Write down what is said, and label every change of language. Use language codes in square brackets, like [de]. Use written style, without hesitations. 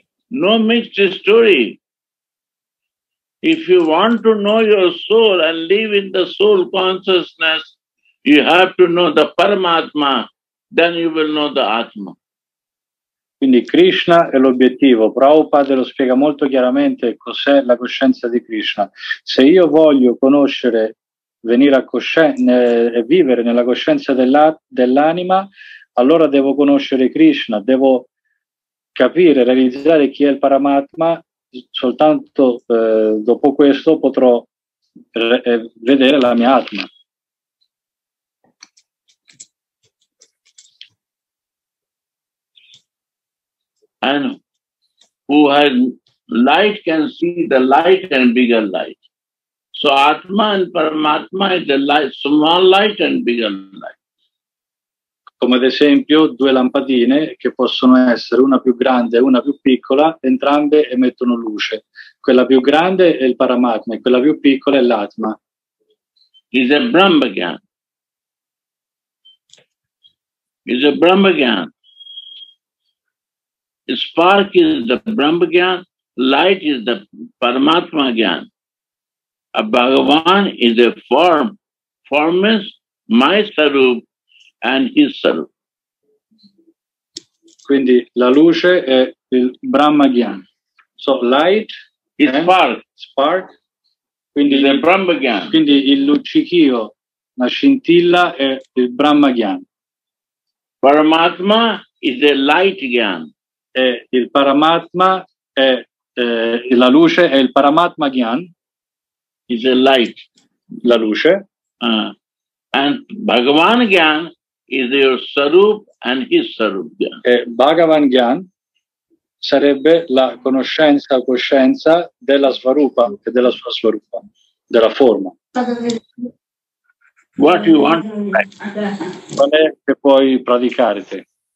[en] No mixed story. If you want to know your soul and live in the soul consciousness, you have to know the Paramatma, then you will know the Atma. [it] Quindi Krishna è l'obiettivo. Prabhupada lo spiega molto chiaramente cos'è la coscienza di Krishna. Se io voglio conoscere, venire a coscienza e vivere nella coscienza dell'anima, allora devo conoscere Krishna, devo capire, realizzare chi è il Paramatma. Soltanto dopo questo potrò vedere la mia Atma. [en] And who has light can see the light and bigger light. So Atma and Paramatma is the light, small light and bigger light. [it] Come ad esempio due lampadine che possono essere una più grande e una più piccola, entrambe emettono luce. Quella più grande è il Paramatma e quella più piccola è l'Atma. [en] Is a Brahmagyan. Is a Brahmagyan. Spark is the Brahmagyan, light is the Paramatma Gyan. A Bhagavan is a form. Form is my sarup and his sarup. [it] Quindi la luce è il Brahmagyan. [en] So light is spark. Spark. [it] Quindi il Brahmagyan. Quindi il luccichio, la scintilla è il Brahmagyan. [en] Paramatma is a light Gyan. [it] E il Paramatma è la luce, è il Paramatma Gyan. [en] Is a light, [it] la luce. [en] And Bhagavan Gyan is your Sarup and his Sarup Gyan. [it] E Bhagavan Gyan sarebbe la conoscenza, coscienza della Svarupa e della sua Svarupa, della forma. [en] What you want? [it] Qual è che puoi praticare te?